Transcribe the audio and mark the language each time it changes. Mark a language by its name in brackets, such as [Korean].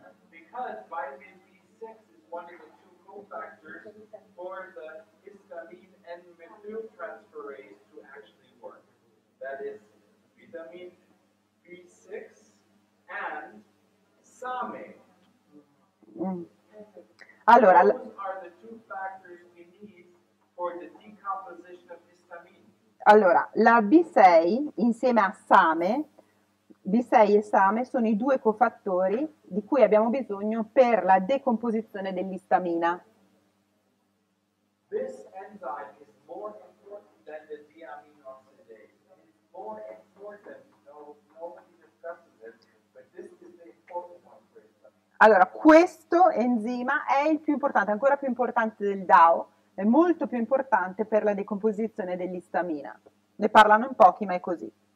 [English] Because vitamin B6 is one of the two cofactors for the histamine and methyltransferase to actually work. That is vitamin B6 and SAMe. [Italian] Allora, [English] those are the two factors we need for the decomposition of histamine. [Italian] Allora, la B6 insieme a SAMe, B6 e SAMe sono i due cofattori di cui abbiamo bisogno per la decomposizione dell'istamina. [English] This enzyme is more important than the deaminoxidase. It's more important, nobody discusses it, but this is the important one for histamina. [Italian] Allora, questo enzima è il più importante, ancora più importante del DAO, è molto più importante per la decomposizione dell'istamina. Ne parlano in pochi, ma è così.